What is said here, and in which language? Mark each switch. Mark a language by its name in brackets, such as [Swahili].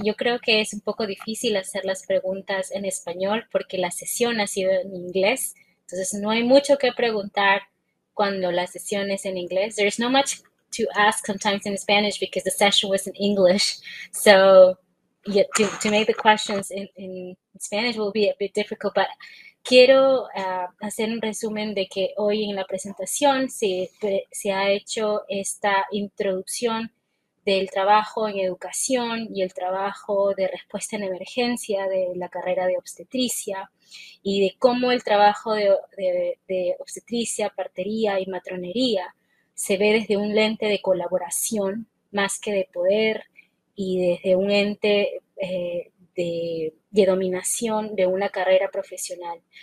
[Spanish] Yo creo que es un poco difícil hacer las preguntas en español porque la sesión ha sido en inglés. Entonces, no hay mucho que preguntar cuando la sesión es en inglés. [English] There's no much to ask sometimes in Spanish because the session was in English. So... Yeah, to make the questions in Spanish will be a bit difficult, but [Spanish] quiero hacer un resumen de que hoy en la presentación se ha hecho esta introducción del trabajo en educación y el trabajo de respuesta en emergencia de la carrera de obstetricia y de cómo el trabajo de obstetricia, partería y matronería se ve desde un lente de colaboración más que de poder y desde un ente de dominación de una carrera profesional.